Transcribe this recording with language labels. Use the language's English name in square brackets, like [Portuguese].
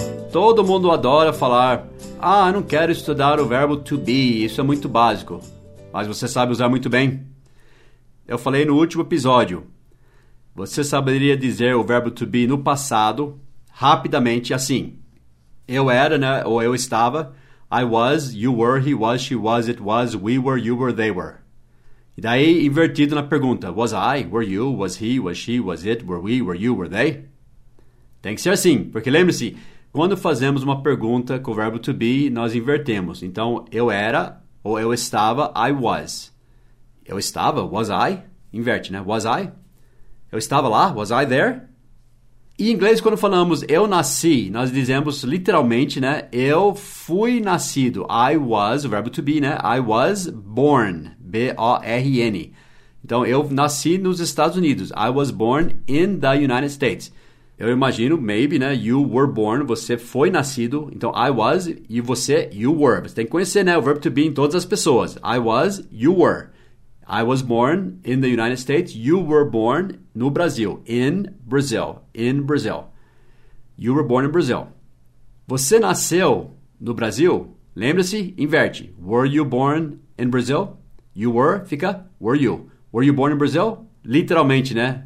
[Portuguese] Todo mundo adora falar, ah, não quero estudar o verbo to be, isso é muito básico. Mas você sabe usar muito bem. Eu falei no último episódio, você saberia dizer o verbo to be no passado, rapidamente, assim. Eu era, né, ou eu estava, [English] I was, you were, he was, she was, it was, we were, you were, they were. [Portuguese] E daí, invertido na pergunta, [English] was I, were you, was he, was she, was it, were we, were you, were they? [Portuguese] Tem que ser assim, porque lembre-se, quando fazemos uma pergunta com o verbo to be, nós invertemos. Então, eu era, ou eu estava, [English] I was. [Portuguese] Eu estava, [English] was I? [Portuguese] Inverte, né? [English] Was I? [Portuguese] Eu estava lá, [English] was I there? [Portuguese] Em inglês, quando falamos eu nasci, nós dizemos literalmente, né? Eu fui nascido. [English] I was, [Portuguese] o verbo to be, né? [English] I was born, [Portuguese] B-O-R-N. Então, eu nasci nos Estados Unidos. [English] I was born in the United States. [Portuguese] Eu imagino, [English] maybe, né, you were born, [Portuguese] você foi nascido, então [English] I was, [Portuguese] e você, [English] you were. [Portuguese] Você tem que conhecer, né, o verbo to be em todas as pessoas. [English] I was, you were. I was born in the United States, you were born [Portuguese] no Brasil, [English] in Brazil, in Brazil. You were born in Brazil. [Portuguese] Você nasceu no Brasil? Lembra-se, inverte. [English] Were you born in Brazil? You were, [Portuguese] fica, [English] were you. Were you born in Brazil? [Portuguese] Literalmente, né?